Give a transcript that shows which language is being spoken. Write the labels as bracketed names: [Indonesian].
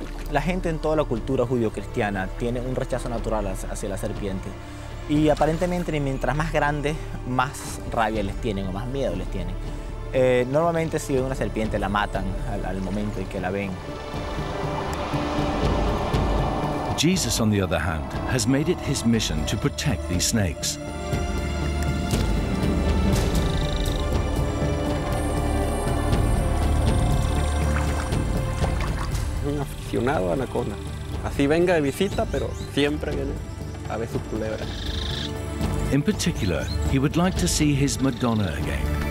[Spanish] La gente en toda la cultura judío-cristiana tiene un rechazo natural hacia la serpiente. Y aparentemente, mientras más grandes, más rabia les tienen o más miedo les tienen. Normalmente, si ven una serpiente, la matan al momento en que la ven. [English] Jesus, on the other hand, has made it his mission to protect these snakes. [Spanish] Aficionado a anaconda. Así venga de visita, pero siempre viene a ver sus culebras. [English] In particular, he would like to see his Madonna again.